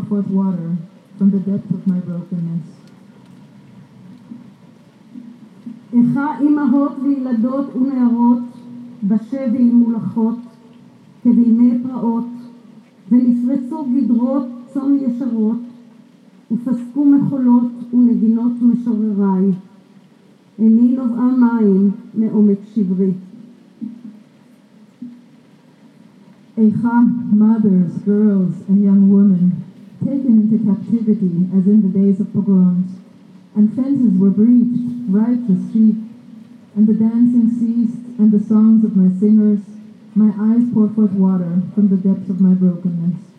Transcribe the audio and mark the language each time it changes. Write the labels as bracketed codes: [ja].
[en] Water from the depth of my brokenness. [he] איך אימהות וילדות ונערות בשבי מולחות כבימי פרעות, ונפרצו גדרות צום ישרות, ופסקו מחולות ונגינות משורריי, איני נובעה מים מעומק שברי. [en] Echa, mothers, girls, and young women, taken into captivity as in the days of pogroms, and fences were breached, righteous sheep, and the dancing ceased, and the songs of my singers, my eyes pour forth water from the depths of my brokenness.